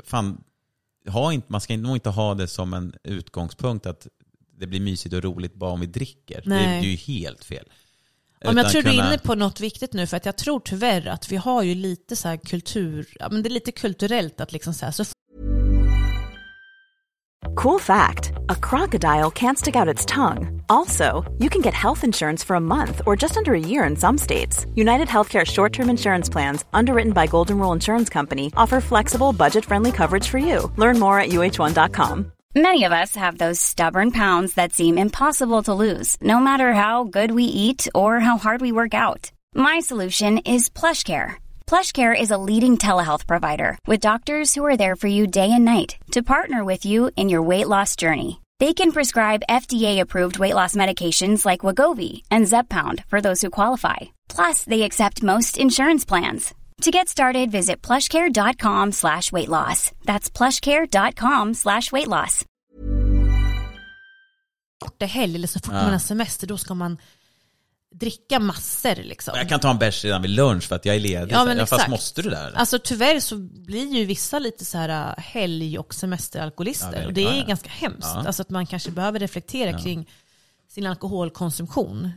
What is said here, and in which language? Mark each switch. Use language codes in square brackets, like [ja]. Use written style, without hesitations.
[sv] Fan, man ska nog inte ha det som en utgångspunkt att det blir mysigt och roligt bara om vi dricker. Nej. Det är ju helt fel. Ja, men jag tror du är inne på något viktigt nu, för att jag tror tyvärr att vi har ju lite så här kultur, ja, men det är lite kulturellt att liksom så här, så [en] cool fact, a crocodile can't stick out its tongue. Also, you can get health insurance for a month or just under a year in some states. United Healthcare short-term insurance plans, underwritten by Golden Rule Insurance Company, offer flexible, budget-friendly coverage for you. Learn more at uh1.com. Many of us have those stubborn pounds that seem impossible to lose, no matter how good we eat or how hard we work out. My solution is PlushCare. PlushCare is a leading telehealth provider with doctors who are there for you day and night to partner with you in your weight loss journey. They can prescribe FDA-approved weight loss medications like Wegovy and Zepbound for those who qualify. Plus, they accept most insurance plans. To get started, visit plushcare.com/weightloss. That's plushcare.com/weightloss. [sv] Korta helg eller så fort man har semester, då ska man dricka massor liksom. Jag kan ta en bärs redan vid lunch för att jag är ledig. Ja, men fast måste du där? Alltså tyvärr så blir ju vissa lite så här helg- och semesteralkoholister. Ja, och det är ju ganska hemskt. Ja. Alltså att man kanske behöver reflektera kring sin alkoholkonsumtion.